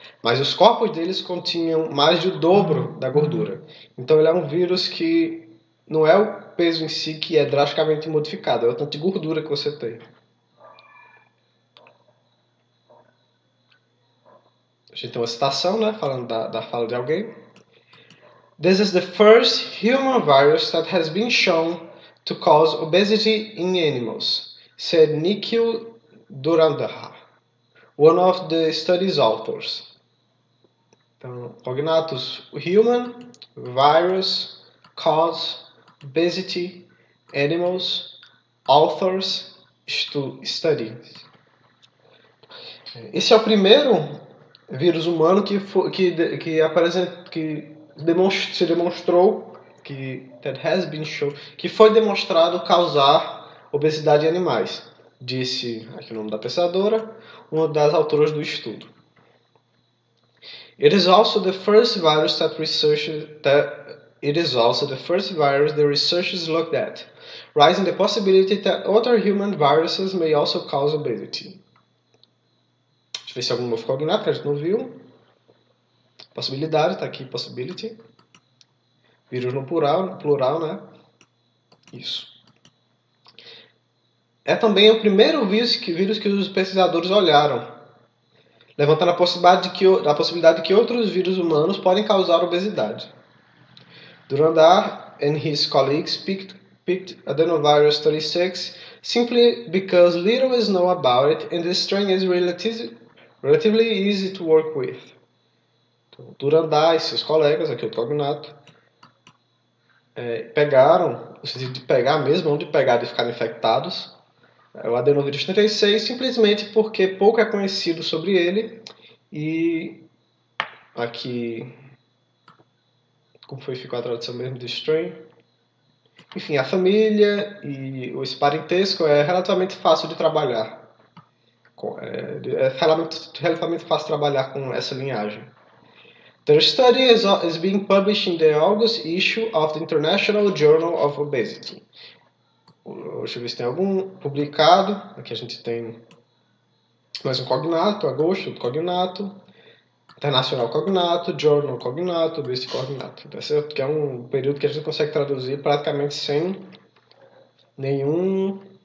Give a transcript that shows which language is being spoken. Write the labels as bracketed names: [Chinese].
[Portuguese] Mas os corpos deles continham mais de o dobro da gordura. Então, ele é um vírus que não é o peso em si que é drasticamente modificado, é o tanto de gordura que você tem. A gente tem uma citação, né, falando da fala de alguém. [English] This is the first human virus that has been shown to cause obesity in animals, said Nikhil Durandhar, one of the study's authors. [Portuguese] Então, cognatos, [English] human virus cause obesity, animals, authors, studies. [Portuguese] Esse é o primeiro vírus humano que foi, que apresenta, que demonstra, se demonstrou, que [English] that has been shown, [Portuguese] que foi demonstrado causar obesidade em animais, disse aqui o nome da pesquisadora, uma das autoras do estudo. [English] It is also the first virus that researchers It is also the first virus the researchers looked at, raising the possibility that other human viruses may also cause obesity. [Portuguese] Deixa eu ver se algum novo cognato, que a gente não viu. Possibilidade, está aqui, possibility. Vírus no plural, né? Isso. É também o primeiro vírus que os pesquisadores olharam, levantando a possibilidade de que outros vírus humanos podem causar obesidade. [English] Durandar and his colleagues picked adenovirus 36 simply because little is known about it and the strain is relatively easy to work with. [Portuguese] Então, Durandar e seus colegas, aqui o cognato, pegaram, no sentido de pegar mesmo, não de pegar e ficar infectados, o adenovirus 36 simplesmente porque pouco é conhecido sobre ele e aqui. Como foi, ficou a tradução mesmo de strain. Enfim, a família e esse parentesco é relativamente fácil de trabalhar. É relativamente fácil trabalhar com essa linhagem. [English] Their study is being published in the August issue of the International Journal of Obesity. [Portuguese] Deixa eu ver se tem algum publicado. Aqui a gente tem mais um cognato, agosto, cognato. Internacional Cognato, Journal Cognato, Obesity Cognato. Tá certo? Que é um período que a gente consegue traduzir praticamente sem nenhum.